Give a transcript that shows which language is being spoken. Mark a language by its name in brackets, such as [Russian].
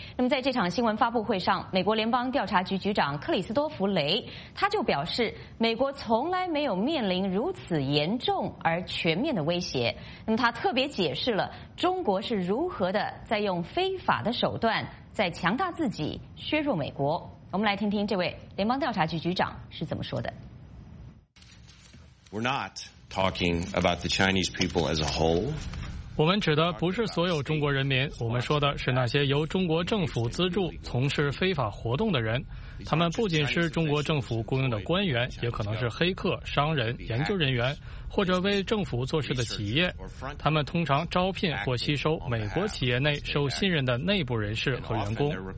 [Chinese] 那么在这场新闻发布会上，美国联邦调查局局长克里斯多弗·雷他就表示，美国从来没有面临如此严重而全面的威胁。那么他特别解释了中国是如何的在用非法的手段在强大自己，削弱美国。我们来听听这位联邦调查局局长是怎么说的。 [English] We're not talking about the Chinese people as a whole. [Chinese] 我们指的不是所有中国人民，我们说的是那些由中国政府资助从事非法活动的人。他们不仅是中国政府雇佣的官员，也可能是黑客、商人、研究人员，或者为政府做事的企业。他们通常招聘或吸收美国企业内受信任的内部人士和员工。